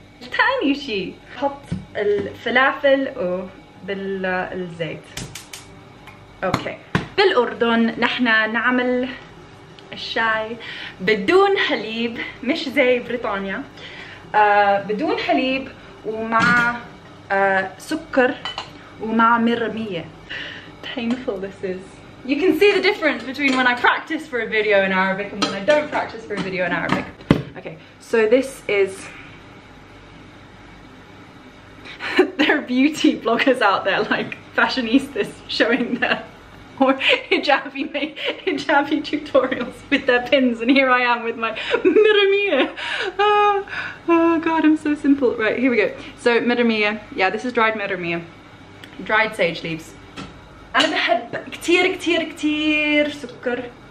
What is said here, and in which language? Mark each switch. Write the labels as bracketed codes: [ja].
[ar] ثاني شيء أحط الفلافل وبالزيت. أوكي. بالأردن نحن نعمل الشاي بدون حليب، مش زي بريطانيا. بدون حليب ومع سكر ومع مرمية. [en] Painful this is. You can see the difference between when I practice for a video in Arabic and when I don't practice for a video in Arabic. Okay, so this is there are beauty bloggers out there like fashionistas showing their or hijabi tutorials with their pins, and here I am with my mirmiya. Oh god, I'm so simple. Right, here we go. So mirmiya, yeah, this is dried mirmiya, dried sage leaves. [ar] أنا بحب كتير كتير كتير سكر.